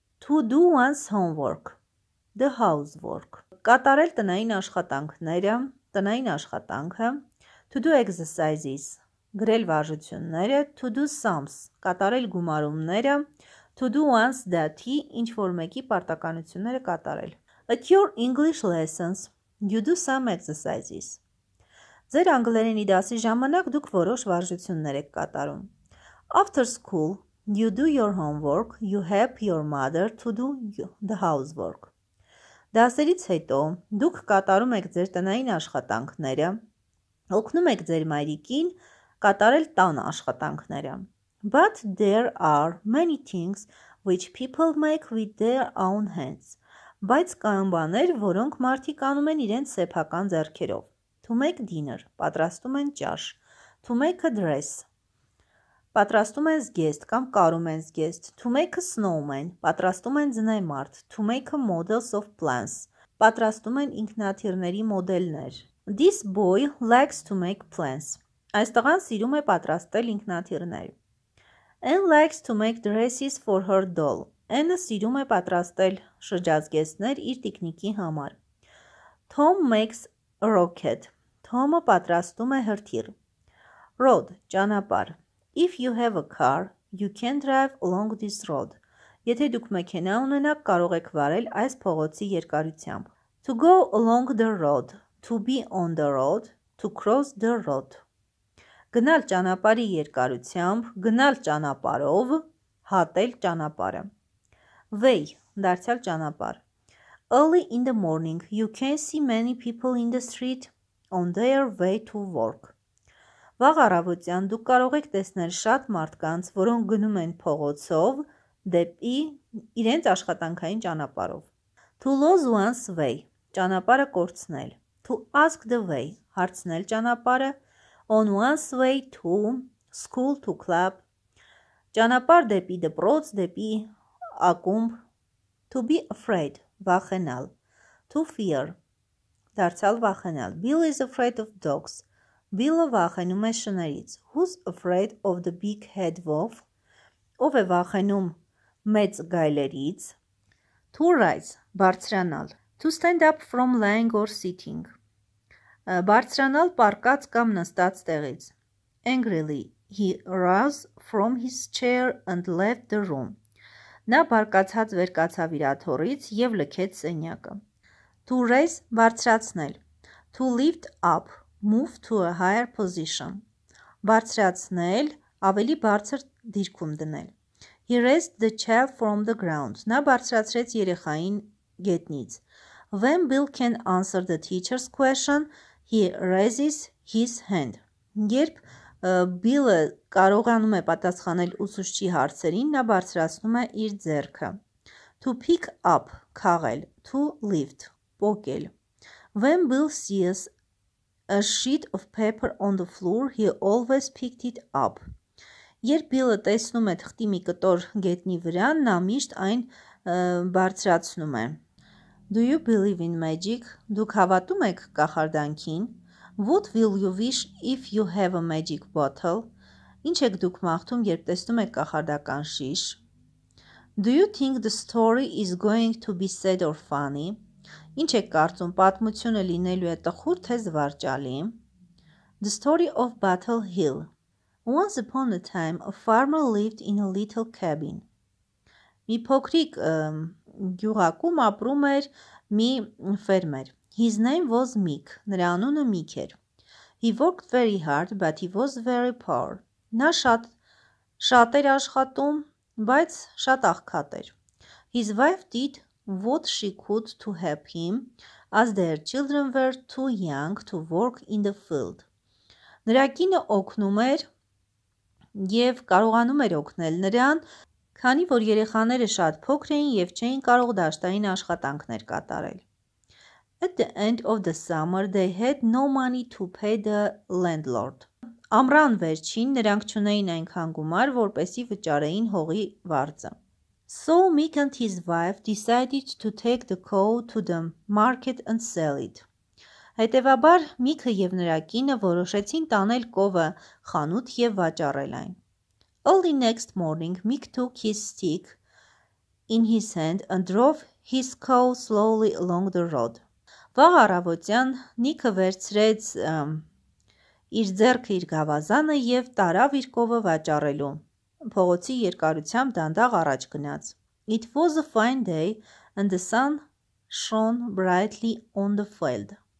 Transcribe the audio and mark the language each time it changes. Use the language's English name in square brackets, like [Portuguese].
[English] To do one's homework. The housework. [Armenian] Կատարել տնային աշխատանքները. Տնային աշխատանքը, [English] to do exercises, [Armenian] գրել վարժությունները, [English] to do sums, [Armenian] կատարել գումարումները, [English] to do one's duty, [Armenian] ինչ-որ մեկի պարտականությունները կատարել. [English] At your English lessons, you do some exercises. [Armenian] Ձեր անգլերենի դասի ժամանակ դուք որոշ վարժություններ եք կատարում. [English] After school, you do your homework, you help your mother to do the housework. [Armenian] Դասերից հետո դուք կատարում եք ձեր տնային աշխատանքները, օգնում եք ձեր մայրիկին կատարել տան աշխատանքները. [English] But there are many things which people make with their own hands. [Armenian] Բայց կան բաներ, որոնք մարդիկ անում են իրենց սեփական ձեռքերով. [English] To make dinner, [Armenian] պատրաստում են ճաշ. [English] To make a dress, [Armenian] պատրաստում են զգեստ կամ կարում են զգեստ. [English] To make a snowman, [Armenian] պատրաստում են ձնեմարդ. [English] To make a models of plants, [Armenian] պատրաստում են ինքնաթիռների մոդելներ. [English] This boy likes to make plants. [Armenian] Այս տղան սիրում է պատրաստել ինքնաթիռներ. [English] Anne likes to make dresses for her doll. [Armenian] Anne սիրում է պատրաստել շրջազգեստներ իր տիկնիկի համար. [English] Tom makes a rocket. [Armenian] Tom-ը պատրաստում է հրթիռ. [English] Road, ճանապարհ. If you have a car, you can drive along this road. [Armenian] Եթե դուք մեքենա ունենաք, կարող եք վարել այս փողոցի երկարությամբ. [English] To go along the road, to be on the road, to cross the road. [Armenian] Գնալ ճանապարհի երկարությամբ, գնալ ճանապարհով, հատել ճանապարհը. Way, դարձյալ ճանապարհ. [English] Early in the morning, you can see many people in the street on their way to work. [Armenian] Վաղ առավոտյան դուք կարող եք տեսնել շատ մարդկանց, որոնք գնում են փողոցով դեպի իրենց աշխատանքային ճանապարհով. [English] To lose one's way, [Armenian] ճանապարհը կորցնել. [English] To ask the way, [Armenian] հարցնել ճանապարհը. [English] On one's way to school, to club, [Armenian] ճանապարհ դեպի դպրոց, դեպի ակումբ. [English] To be afraid, վախենալ. To fear, [Armenian] դարձյալ վախենալ. [English] Bill is afraid of dogs. [Armenian] Bill-ը վախենում է շներից. [English] Who's afraid of the big head wolf? [Armenian] Ով է վախենում մեծ գայլերից? [English] To rise, բարձրանալ. To stand up from lying or sitting. [Armenian] Բարձրանալ պառկած կամ նստած տեղից. [English] Angrily, he rose from his chair and left the room. [Armenian] Նա բարկացած վերկացավ իր աթոռից և լքեց սենյակը. [English] To raise, բարձրացնել. To lift up, move to a higher position. [Armenian] Բարձրացնել, ավելի բարձր դիրքում դնել. [English] He raised the child from the ground. [Armenian] Նա բարձրացրեց երեխային գետնից. [English] When Bill can answer the teacher's question, he raises his hand. [Armenian] Երբ Bill-ը կարողանում է պատասխանել ուսուցչի հարցերին, նա բարձրացնում է իր ձեռքը. [English] To pick up, քաղել. To lift, պոկել. When Bill sees a sheet of paper on the floor, he always picked it up. [Armenian] Երբ Bill-ը տեսնում է թղթի մի կտոր գետնի վրա, նա միշտ այն բարձրացնում է. [English] Do you believe in magic? [Armenian] Դուք հավատում եք կախարդանքին? [English] What will you wish if you have a magic bottle? [Armenian] Ինչ եք դուք մաղթում, երբ տեսնում եք կախարդական շիշ? [English] Do you think the story is going to be sad or funny? [Armenian] Ինչ եք կարծում, պատմությունը լինելու է տխուր թե զվարճալի? [English] The story of Battle Hill. Once upon a time, a farmer lived in a little cabin. [Armenian] Մի փոքրիկ գյուղակում ապրում էր մի ֆերմեր. [English] His name was Mick. [Armenian] Նրա անունը Mick էր. [English] He worked very hard, but he was very poor. [Armenian] Նա շատ էր աշխատում, բայց շատ աղքատ էր. [English] His wife did what she could to help him, as their children were too young to work in the field. [Armenian] Նրա կինը օգնում էր և կարողանում էր օգնել նրան, քանի որ երեխաները շատ փոքր էին և չէին կարող դաշտային աշխատանքներ կատարել. [English] At the end of the summer, they had no money to pay the landlord. [Armenian] Ամռան վերջին նրանք չունեին այնքան գումար, որպեսի վճարեին հողի վարձը. [English] So Mick and his wife decided to take the cow to the market and sell it. [Armenian] Հետևաբար Mick-ը եւ նրա կինը որոշեցին տանել կովը խանութ եւ վաճառել այն. [English] Early next morning, Mick took his stick in his hand and drove his cow slowly along the road. [Armenian] Վաղ առավոտյան Nick-ը վերցրեց իր ձեռքը իր գավազանը եւ տարավ իր կովը վաճառելու։ Փողոցի երկարությամբ դանդաղ առաջ գնաց. [English] It was a fine day and the sun shone brightly on the field.